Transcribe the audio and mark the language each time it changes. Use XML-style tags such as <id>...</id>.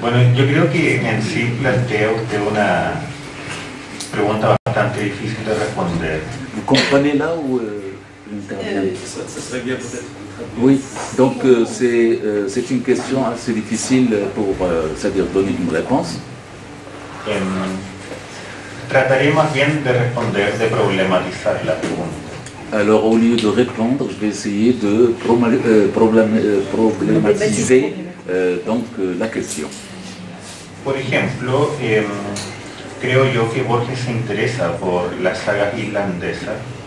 <es>Bueno, yo creo que en sí plantea usted una pregunta bastante difícil de responder. ¿Comprendes la o</es> <fr>Oui, donc c'est une question assez difficile pour c'est-à-dire donner une réponse.</fr> <es>Trataré más bien de responder, de problematizar la pregunta.</es> <fr>Alors, au lieu de répondre, je vais essayer de problématiser la question.</fr> <es>Por ejemplo, creo yo que Borges se interesa por las sagas islandesas.</es>